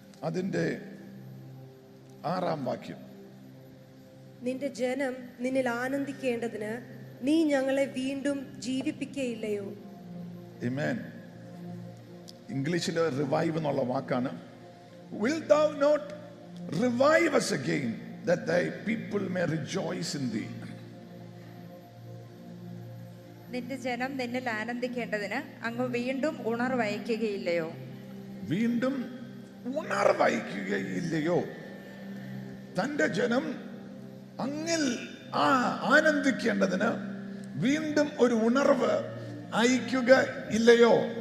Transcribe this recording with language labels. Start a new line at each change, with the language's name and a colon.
Malayalam: അതിന്റെ ആറാം വാക്യം. നിന്റെ ജനം നിന്നിൽ ആനന്ദിക്കേണ്ടതിന് നീ ഞങ്ങളെ വീണ്ടും ജീവിപ്പിക്കയില്ലയോ? ആമേൻ. ഇംഗ്ലീഷിലെ റിവൈവ് എന്നുള്ള വാക്കാണ്.
English: Wilt thou not revive us again that thy people may rejoice in thee?
Malayalam: നിന്റെ ജനം നിന്നിൽ ആനന്ദിക്കേണ്ടതിന് അങ്ങ് വീണ്ടും ഉണർവയക്കുകയില്ലയോ? വീണ്ടും ഉണർവയക്കുകയില്ലയോ? തന്റെ ജനം അങ്ങിൽ ആനന്ദിക്കേണ്ടതിന് വീണ്ടും ഒരു ഉണർവ് അയക്കുക ഇല്ലയോ?